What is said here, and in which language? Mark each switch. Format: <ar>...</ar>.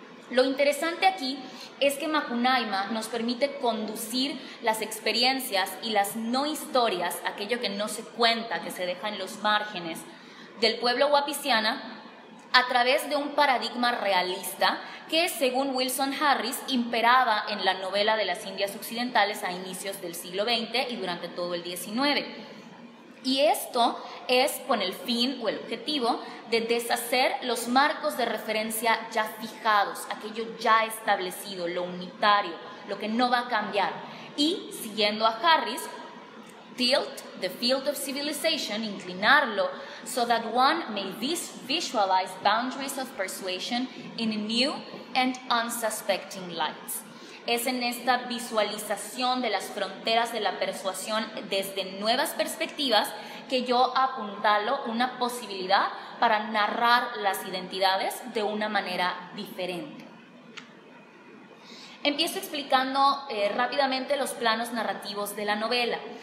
<es>Lo interesante aquí es que Macunaíma nos permite conducir las experiencias y las no historias, aquello que no se cuenta, que se deja en los márgenes del pueblo Huapiciana, a través de un paradigma realista que, según Wilson Harris, imperaba en la novela de las Indias Occidentales a inicios del siglo XX y durante todo el XIX. Y esto es con el fin o el objetivo de deshacer los marcos de referencia ya fijados, aquello ya establecido, lo unitario, lo que no va a cambiar. Y, siguiendo a Harris,</es> <en>tilt the field of civilization,</en> <es>inclinarlo,</es> <en>so that one may visualize boundaries of persuasion in new and unsuspecting lights.</en> <es>Es en esta visualización de las fronteras de la persuasión desde nuevas perspectivas que yo apuntalo una posibilidad para narrar las identidades de una manera diferente. Empiezo explicando rápidamente los planos narrativos de la novela.</es>